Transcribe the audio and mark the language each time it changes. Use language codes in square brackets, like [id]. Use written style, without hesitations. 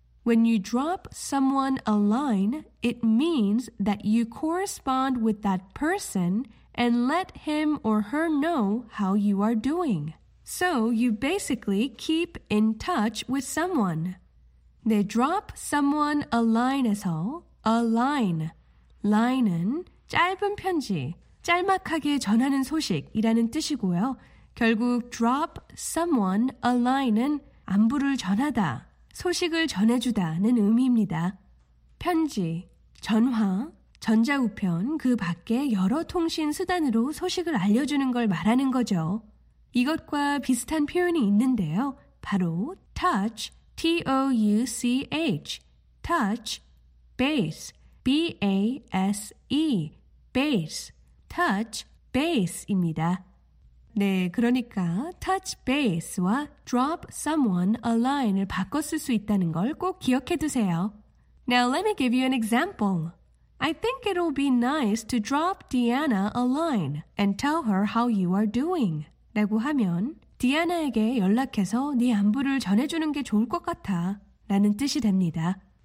[en] When you drop someone a line, it means that you correspond with that person and let him or her know how you are doing. So you basically keep in touch with someone. [ko] 네, [en] drop someone a line [ko] 에서 a line. Line은 짧은 편지, 짤막하게 전하는 소식이라는 뜻이고요. 결국 [en] drop someone a line [ko] 은 안부를 전하다, 소식을 전해주다는 의미입니다. 편지, 전화, 전자우편, 그 밖에 여러 통신 수단으로 소식을 알려주는 걸 말하는 거죠. 이것과 비슷한 표현이 있는데요. [en] 바로 touch, T-O-U-C-H, touch, base, B-A-S-E, base, touch, base입니다. [ko] 네, 그러니까 [en] touch base [ko] 와 [en] drop someone a line [ko] 을 바꿔 쓸 수 있다는 걸 꼭 기억해 두세요. [en] Now let me give you an example. I think it'll be nice to drop Deanna a line and tell her how you are doing. [ko] 라고 하면 디아나에게 연락해서 네 안부를 전해주는 게 좋을 것 같아 라는 뜻이 됩니다.